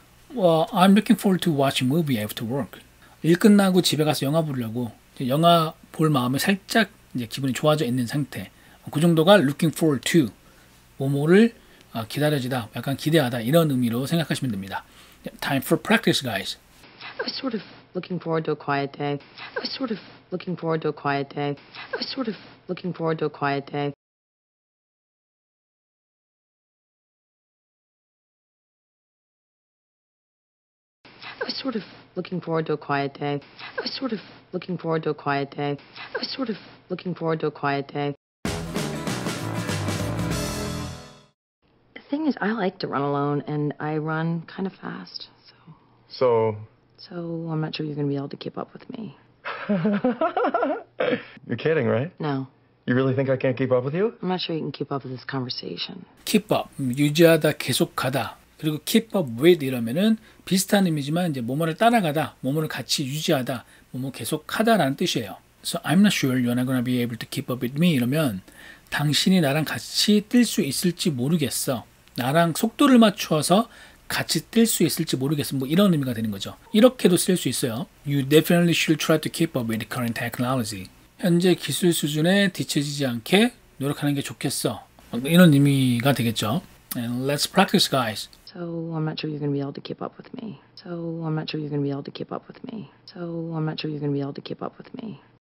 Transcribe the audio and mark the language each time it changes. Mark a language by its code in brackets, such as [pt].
[en] Well, I'm looking forward to watching movie after work. [ko] 일 끝나고 집에 가서 영화 보려고 영화 볼 마음에 살짝 이제 기분이 좋아져 있는 상태. 그 정도가 looking forward to. 뭐뭐를 기다려지다, 약간 기대하다 이런 의미로 생각하시면 됩니다. [en] Time for practice, guys. I was sort of looking forward to a quiet day. I was sort of looking forward to a quiet day. I was sort of looking forward to a quiet day. I was sort of looking forward to a quiet day. I was sort of looking forward to a quiet day. I was sort of looking forward to a quiet day. The thing is, I like to run alone, and I run kind of fast, so... So? So, I'm not sure you're going to be able to keep up with me. You're kidding, right? No. You really think I can't keep up with you? I'm not sure you can keep up with this conversation. [ko] Keep up, 유지하다, 계속하다. 그리고 keep up with 이러면은 비슷한 의미지만 이제 뭐뭐를 따라가다, 뭐뭐를 같이 유지하다, 뭐뭐 계속하다라는 뜻이에요. [en] So, I'm not sure you're not going to be able to keep up with me [ko] 이러면 당신이 나랑 같이 뛸 수 있을지 모르겠어. 나랑 속도를 맞추어서 같이 뛸 수 있을지 모르겠어. 뭐 이런 의미가 되는 거죠. 이렇게도 쓸 수 있어요. [en] You definitely should try to keep up with current technology. [ko] 현재 기술 수준에 뒤처지지 않게 노력하는 게 좋겠어. 이런 의미가 되겠죠. [en] And let's practice, guys. So I'm not sure you're going to be able to keep up with me. So I'm not sure you're going to be able to keep up with me. So I'm not sure you're going to be able to keep up with me.